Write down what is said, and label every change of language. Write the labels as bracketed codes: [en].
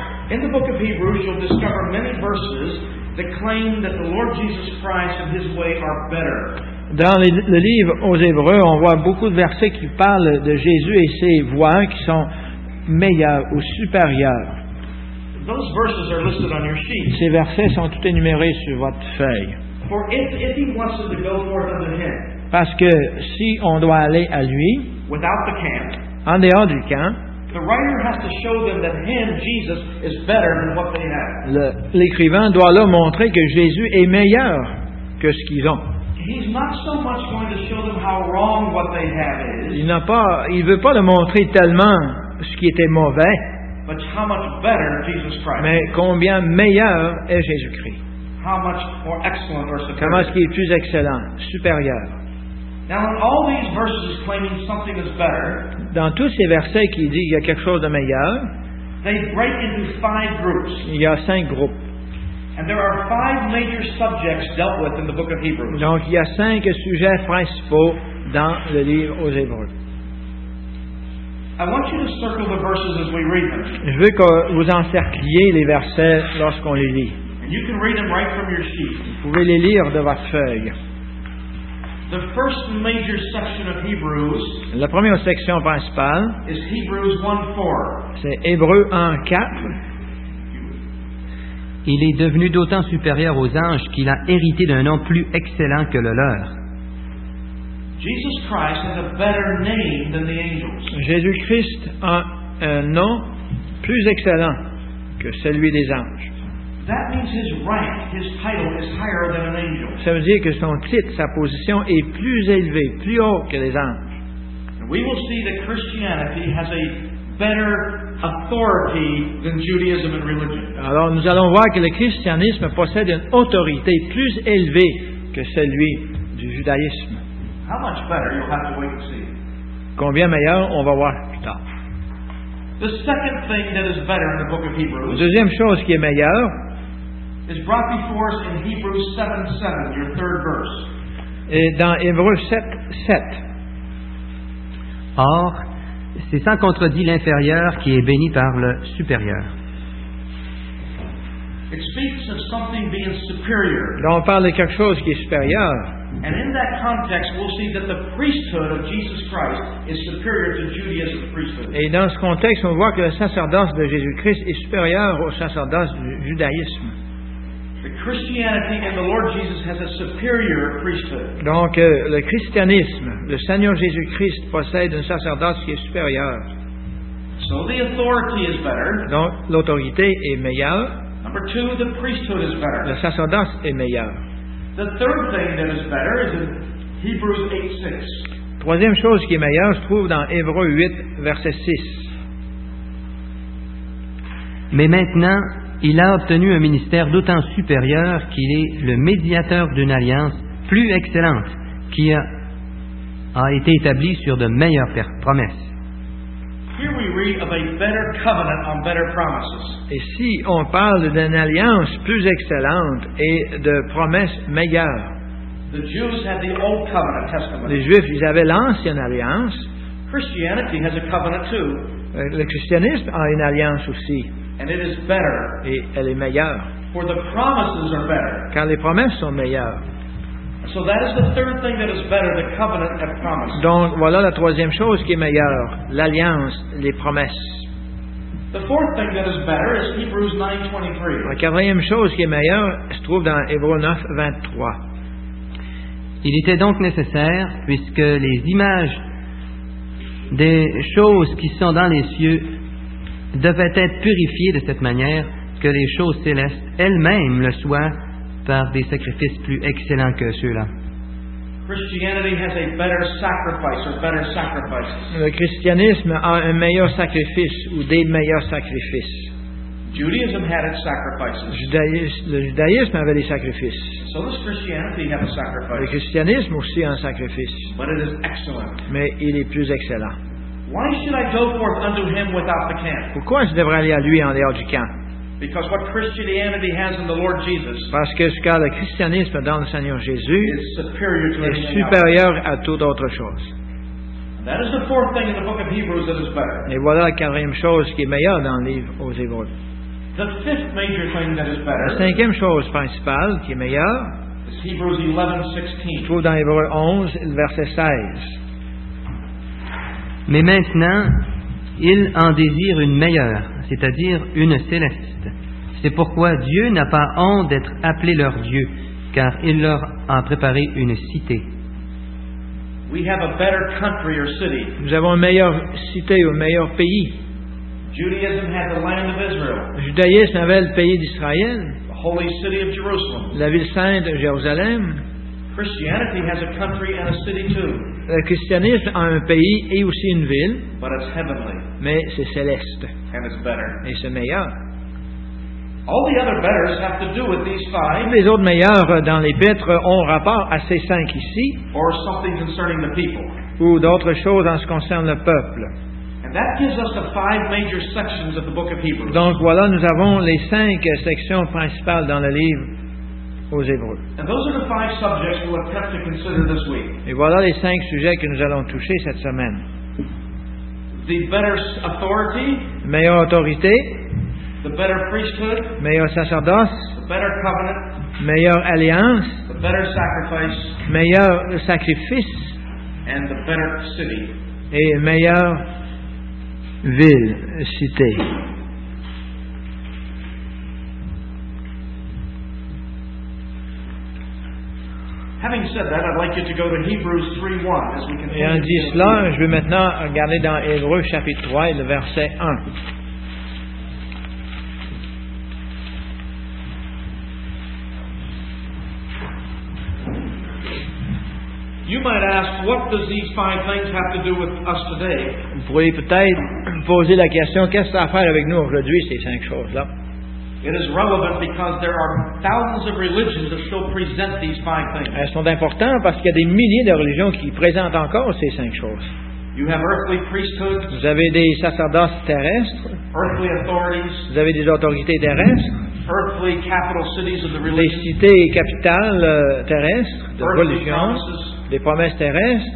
[en] In the book of Hebrews, you'll discover many verses that claim that the Lord Jesus Christ and His way are better. [fr] Dans le livre aux Hébreux, on voit beaucoup de versets qui parlent de Jésus et ses voies qui sont meilleures ou supérieures. [en] Those verses are listed on your sheet. [fr] Ces versets sont tous énumérés sur votre feuille. [en] For if he wants to go forth unto him, [fr] parce que si on doit aller à lui, [en] without the camp, [fr] en dehors du camp, [en] the writer has to show them that him, Jesus, is better than what they have. [fr] L'écrivain doit leur montrer que Jésus est meilleur que ce qu'ils ont. [en] He's not so much going to show them how wrong what they have is. [fr] Il veut pas leur montrer tellement ce qui était mauvais. [en] But how much better Jesus Christ. [fr] Mais combien meilleur est Jésus-Christ. [en] How much more excellent or superior. [fr] Comment est-ce qu'il est plus excellent, supérieur. [en] Now, in all these verses claiming something is better, [fr] dans tous ces versets qui disent qu'il y a quelque chose de meilleur, [en] they break into five groups. [fr] Il y a cinq groupes. [en] And there are five major subjects dealt with in the book of Hebrews. [fr] Donc, il y a cinq sujets principaux dans le livre aux Hébreux. [en] I want you to circle the verses as we read them. [fr] Je veux que vous encercliez les versets lorsqu'on les lit. [en] And you can read them right from your sheet. [fr] Vous pouvez les lire de votre feuille. [en] The first major section of Hebrews, [fr] la première section principale, [en] is Hebrews 1:4. [fr] C'est Hébreux 1:4. Il est devenu d'autant supérieur aux anges qu'il a hérité d'un nom plus excellent que le leur. [en] Jesus Christ has a better name than the angels. [fr] Jésus-Christ a un nom plus excellent que celui des anges. [en] That means his rank, his title is higher than an angel. [fr] Ça veut dire que son titre, sa position est plus élevée, plus haut que les anges. [en] And we will see that Christianity has a better authority than Judaism and religion. [fr] Alors nous allons voir que le christianisme possède une autorité plus élevée que celui du judaïsme. [en] How much better, you'll have to wait and see. [fr] Combien meilleur, on va voir plus tard. [en] The second thing that is better in the book of Hebrews. [fr] La deuxième chose qui est meilleure. [en] Is brought before us in Hebrews 7:7, your third verse. [fr] Et dans Hébreux 7:7. Or, c'est sans contredit l'inférieur qui est béni par le supérieur. [en] It speaks of something being superior. [fr] Là, on parle de quelque chose qui est supérieur. [en] And in that context, we'll see that the priesthood of Jesus Christ is superior to Judaism's priesthood. [fr] Et dans ce contexte, on voit que le sacerdoce de Jésus-Christ est supérieur au sacerdoce du judaïsme. [en] The Christianity and the Lord Jesus has a superior priesthood. [fr] Donc, le christianisme, le Seigneur Jésus-Christ possède un sacerdoce qui est supérieur. [en] So the authority is better. [fr] Donc, l'autorité est meilleure. [en] Number two, the priesthood is better. [fr] Le sacerdoce est meilleur. [en] The third thing that is better is in Hebrews 8:6. [fr] Troisième chose qui est meilleure se trouve dans Hébreux 8, verset 6. Mais maintenant, il a obtenu un ministère d'autant supérieur qu'il est le médiateur d'une alliance plus excellente qui a été établie sur de meilleures promesses. [en] Here we read of a better covenant on better promises. [fr] Et si on parle d'une alliance plus excellente et de promesses meilleures. [en] The Jews had the old covenant testament. [fr] Les Juifs, ils avaient l'ancienne alliance. [en] Christianity has a covenant too. [fr] Le christianisme a une alliance aussi. [en] And it is better. [fr] Et elle est meilleure. [en] For the promises are better. [fr] Car les promesses sont meilleures. [en] So that is the third thing that is better, the covenant and promises. [fr] Donc voilà la troisième chose qui est meilleure, l'alliance, les promesses. [en] The fourth thing that is better is Hebrews 9:23. [fr] La quatrième chose qui est meilleure se trouve dans Hébreux 9:23. Il était donc nécessaire, puisque les images des choses qui sont dans les cieux devait être purifié de cette manière que les choses célestes elles-mêmes le soient par des sacrifices plus excellents que ceux-là. [en] Christianity has a better sacrifice or better sacrifices. [fr] Le christianisme a un meilleur sacrifice ou des meilleurs sacrifices. [en] Judaism had its sacrifices. [fr] Le judaïsme avait des sacrifices. [en] So does Christianity have a sacrifice. [fr] Le christianisme aussi a un sacrifice. [en] But it is excellent. [fr] Mais il est plus excellent. [en] Why should I go forth unto him without the camp? [fr] Pourquoi je devrais aller à lui en dehors du camp? [en] Because what Christianity has in the Lord Jesus. [fr] Parce que ce qu'a le christianisme dans le Seigneur Jésus [en] is superior to [fr] est supérieur à toute autre chose. [en] That is the fourth thing in the book of Hebrews that is better. [fr] Et voilà la quatrième chose qui est meilleure dans le livre aux Hébreux. [en] The fifth major thing that is better. [fr] La cinquième chose principale qui est meilleure [en] is Hebrews 11:16. [fr] Se trouve dans Hébreux 11, verset 16. Mais maintenant, il en désire une meilleure, c'est-à-dire une céleste. C'est pourquoi Dieu n'a pas honte d'être appelé leur Dieu, car il leur a préparé une cité. [en] We have a better country or city. [fr] Nous avons une meilleure cité ou un meilleur pays. [en] Judaism had the land of Israel. [fr] Le judaïsme avait le pays d'Israël. [en] The holy city of Jerusalem. [fr] La ville sainte de Jérusalem. [en] Christianity has a country and a city too. [fr] Le christianisme a un pays et aussi une ville, [en] but it's heavenly. [fr] Mais c'est céleste. [en] And it's better. [fr] Et c'est meilleur. [en] All the other betters have to do with these five. [fr] Les autres meilleurs dans les bêtres ont rapport à ces cinq ici. [en] Or something concerning the people. [fr] Ou d'autres choses en ce qui concerne le peuple. [en] And that gives us the five major sections of the book of Hebrews. [fr] Donc voilà, nous avons les cinq sections principales dans le livre. Aux Hébreux. [en] And those are the five subjects we'll attempt to consider this week. [fr] Et voilà les cinq sujets que nous allons toucher cette semaine. [en] The better authority. [fr] Meilleure autorité. [en] The better priesthood. [fr] Meilleur sacerdoce. [en] The better covenant. [fr] Meilleure alliance. [en] The better sacrifice. [fr] Meilleur sacrifice. [en] And the better city. [fr] Et meilleure ville, cité. [en] Having said that, I'd like you to go to Hebrews 3:1 as we continue. [fr] Et en dit cela, je vais maintenant regarder dans Hébreux chapitre 3 et le verset 1. [en] You might ask, what does these five things have to do with us today? [fr] Vous pourriez peut-être poser la question, qu'est-ce que ça a à faire avec nous aujourd'hui ces cinq choses-là? [en] It is relevant because there are thousands of religions that still present these five things. [fr] Elles sont importantes parce qu'il y a des milliers de religions qui présentent encore ces cinq choses. [en] You have earthly priesthoods. [fr] Vous avez des sacerdoces terrestres. [en] Earthly authorities. [fr] Vous avez des autorités terrestres. [en] Earthly capital cities of the religion. [fr] Les cités capitales terrestres de religion. Des promesses terrestres.